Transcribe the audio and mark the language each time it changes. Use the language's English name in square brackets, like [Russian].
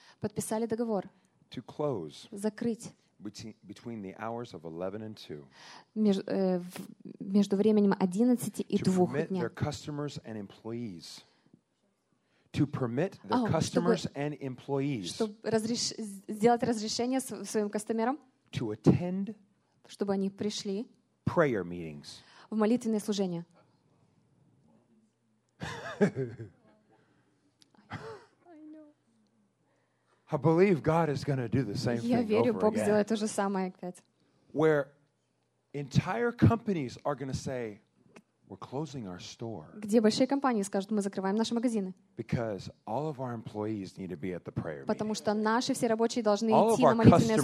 [Russian] подписали договор [English] to close [Russian] закрыть [English] between the hours of 11 and 2. [Russian] Между временем 11 и 2 дня. [English] To permit their customers and employees. To permit the customers and employees. [Russian] Сделать разрешение своим кастомерам. [English] To attend. [Russian] Чтобы они пришли. [English] Prayer meetings. [Russian] В молитвенное служение. [English] I believe God is going to do the same thing over again. [Russian] Я верю, Бог сделает то же самое опять. [English] Where entire companies are going to say, "We're closing our store." [Russian] Где большие компании скажут, мы закрываем наши магазины. [English] Because all of our employees need to be at the prayer meeting. [Russian] Потому что наши все рабочие должны идти на молитвенное служение.